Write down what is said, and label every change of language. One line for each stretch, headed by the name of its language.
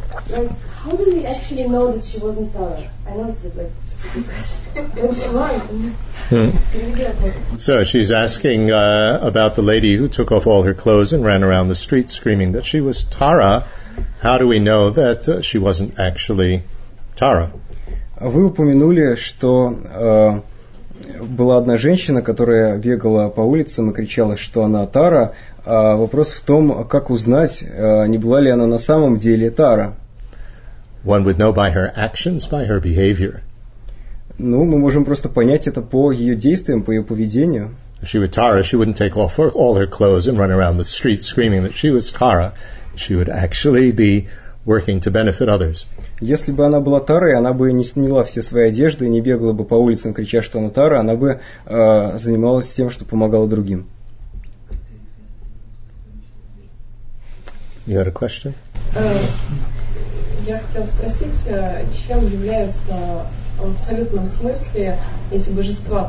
English: Like, how do we actually know that she wasn't taller? I know it's like a stupid question. Maybe she was. So she's asking about the lady who took off all her clothes and ran around the streets screaming that she was Tara. How do we know that she wasn't actually Tara?
Russian: Вы упомянули, что была одна женщина, которая бегала по улицам и кричала, что она Тара. Вопрос в том, как узнать, не была ли она на самом деле Тара.
English: One would know by her actions, by her behavior.
Russian: Ну, мы можем просто понять это по ее действиям, по ее поведению.
English: If she were Tara, she wouldn't take off all her clothes and run around the street screaming that she was Tara. She would actually be working to benefit others.
Russian: Если бы она была Тарой, она бы не сняла все свои одежды, не бегала бы по улицам, крича, что она Тара, она бы занималась тем, что помогала другим.
English: You had a question?
Russian: Я хотела спросить, чем является в абсолютном смысле эти божества?